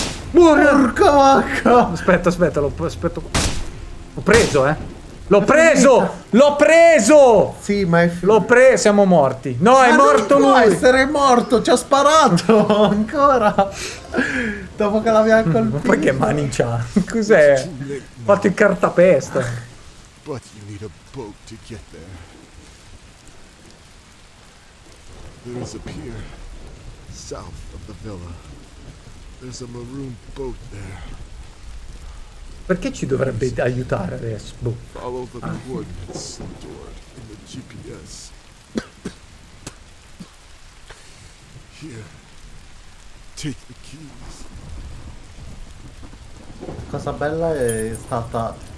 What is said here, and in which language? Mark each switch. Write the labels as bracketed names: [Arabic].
[Italian] Porca vacca! Aspetta, aspetta. L'ho preso, L'ho preso! L'ho preso! Sì, ma è finito. Siamo morti. No, ma è morto lui! Non può essere morto, ci ha sparato ancora. Dopo che l'abbiamo colpito. Ma poi che mani c'ha? Cos'è? Fatto il cartapesta. [English] But you need a boat to get there. There's a pier south of the villa. There's a maroon boat there. [Italian] Perché ci dovrebbe aiutare adesso? Boh. [English] Follow the coordinates stored in the GPS. Here. Take the keys. [Italian] Cosa bella è stata.